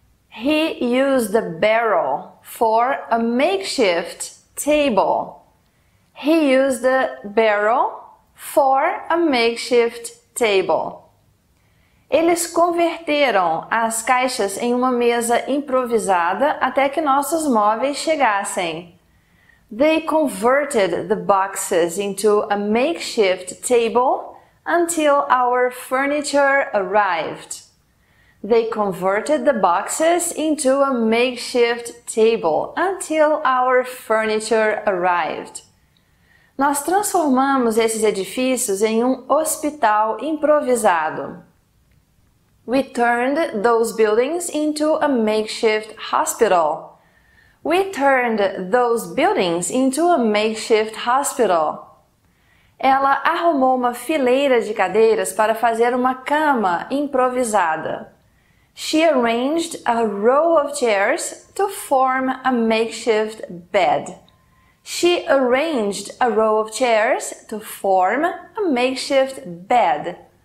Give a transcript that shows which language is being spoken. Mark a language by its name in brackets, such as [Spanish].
[English] He used a barrel for a makeshift table. He used a barrel for a makeshift table. [Portuguese] Eles converteram as caixas em uma mesa improvisada até que nossos móveis chegassem. [English] They converted the boxes into a makeshift table until our furniture arrived. They converted the boxes into a makeshift table until our furniture arrived. [Portuguese] Nós transformamos esses edifícios em um hospital improvisado. [English] We turned those buildings into a makeshift hospital. We turned those buildings into a makeshift hospital. [Portuguese] Ela arrumou uma fileira de cadeiras para fazer uma cama improvisada. [English] She arranged a row of chairs to form a makeshift bed. She arranged a row of chairs to form a makeshift bed.